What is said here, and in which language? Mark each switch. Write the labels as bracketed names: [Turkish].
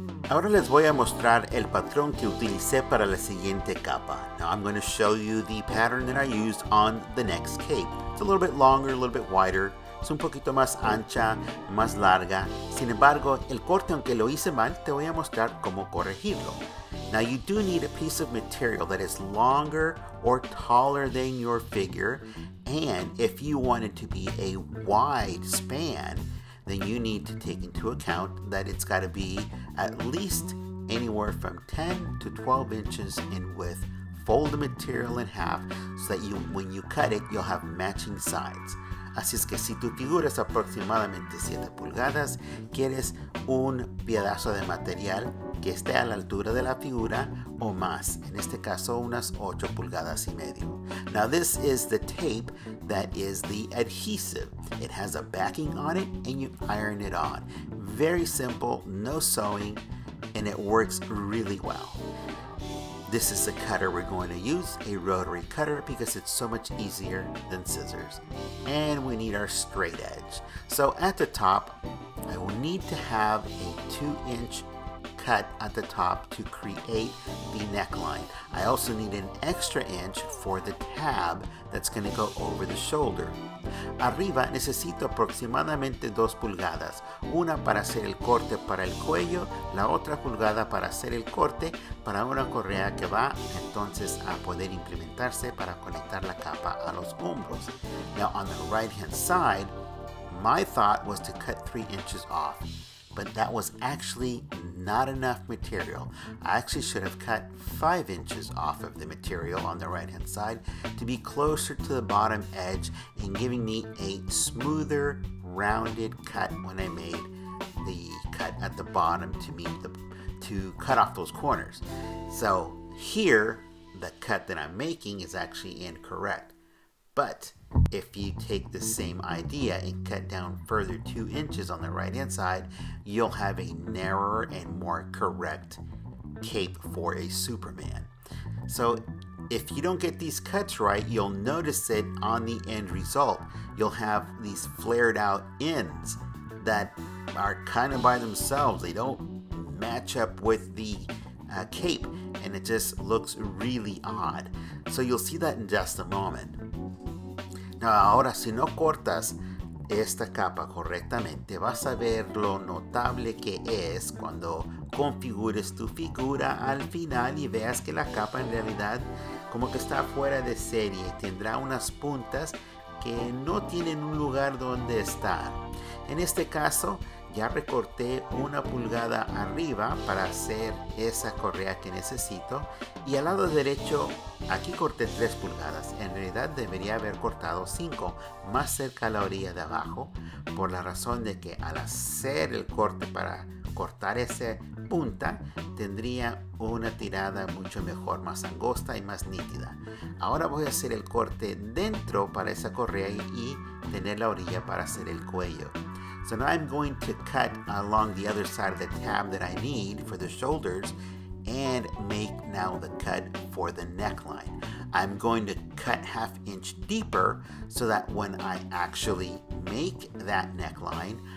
[Spanish] Ahora les voy a mostrar el patrón que utilicé para la siguiente capa. [English] Now I'm going to show you the pattern that I used on the next cape. It's a little bit longer, a little bit wider. [Spanish] Es un poquito más ancha, más larga. Sin embargo, el corte, aunque lo hice mal, te voy a mostrar cómo corregirlo. [English] Now you do need a piece of material that is longer or taller than your figure. And if you want it to be a wide span, then you need to take into account that it's got to be at least anywhere from 10 to 12 inches in width. Fold the material in half so that you, when you cut it, you'll have matching sides. [Spanish] Así es que si tu figura es aproximadamente 7 pulgadas, quieres un pedazo de material que esté a la altura de la figura o más. En este caso, unas 8 pulgadas y medio. [English] Now this is the tape that is the adhesive. It has a backing on it and you iron it on. Very simple, no sewing, and it works really well. This is the cutter we're going to use, a rotary cutter, because it's so much easier than scissors. And we need our straight edge. So at the top, I will need to have a 2-inch cut at the top to create the neckline. I also need an extra inch for the tab that's going to go over the shoulder. [Spanish] Arriba necesito aproximadamente 2 pulgadas, una para hacer el corte para el cuello, la otra pulgada para hacer el corte para una correa que va entonces a poder implementarse para conectar la capa a los hombros. [English] Now on the right hand side, my thought was to cut 3 inches off, but that was actually not enough material. I actually should have cut 5 inches off of the material on the right hand side to be closer to the bottom edge and giving me a smoother, rounded cut when I made the cut at the bottom to meet the to cut off those corners. So here, the cut that I'm making is actually incorrect. But if you take the same idea and cut down further 2 inches on the right hand side, you'll have a narrower and more correct cape for a Superman. So if you don't get these cuts right, you'll notice it on the end result. You'll have these flared out ends that are kind of by themselves. They don't match up with the cape, and it just looks really odd. So you'll see that in just a moment. [Spanish] Ahora, si no cortas esta capa correctamente, vas a ver lo notable que es cuando configures tu figura al final y veas que la capa en realidad como que está fuera de serie. Tendrá unas puntas que no tienen un lugar donde estar. En este caso, ya recorté 1 pulgada arriba para hacer esa correa que necesito. Y al lado derecho, aquí corté 3 pulgadas. En realidad debería haber cortado 5 más cerca a la orilla de abajo, por la razón de que al hacer el corte para cortar esa punta, tendría una tirada mucho mejor, más angosta y más nítida. Ahora voy a hacer el corte dentro para esa correa y tener la orilla para hacer el cuello. [English] So now I'm going to cut along the other side of the tab that I need for the shoulders and make now the cut for the neckline. I'm going to cut 1/2 inch deeper so that when I actually make that neckline,